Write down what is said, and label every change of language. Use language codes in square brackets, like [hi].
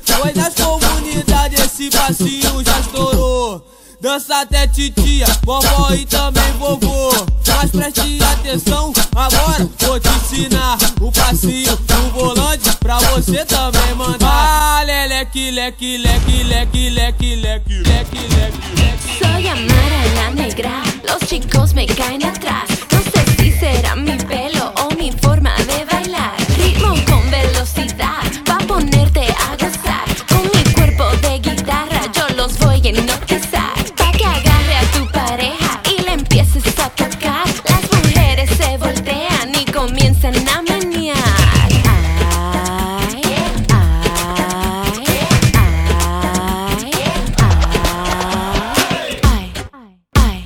[pt] Pois as comunidades, esse passinho já estourou. Dança até titia, vovó e também vovô. Mas preste atenção, agora vou te ensinar. O passinho do volante pra você também mandar. Ah, leque, leque, leque, leque, leque, leque, leque, leque, leque. [es] Soy amarela negra, los chicos me caen atrás. No sé si será mi pelo o mi forma de bailar. Ritmo con velocidad, pa' ponerte a gozar. Con mi cuerpo de guitarra, yo los voy a enloquecer. Pa' que agarre a tu pareja y le empieces a tocar. Las mujeres se voltean y comienzan a menear. Ay, ay, ay, ay, ay, ay, ay, ay, ay, ay, ay, ay, ay, ay, ay, ay, ay, ay, ay, ay, ay, ay, ay, ay, ay, ay, ay, ay, ay, ay, ay, ay, ay, ay, ay, ay, ay, ay, ay, ay, ay, ay, ay, ay, ay, ay, ay, ay, ay, ay, ay, ay, ay, ay, ay, ay, ay, ay, ay, ay, ay, ay, ay, ay, ay, ay, ay, ay, ay, ay, ay, ay, ay, ay, ay, ay, ay, ay, ay, ay, ay, ay, ay,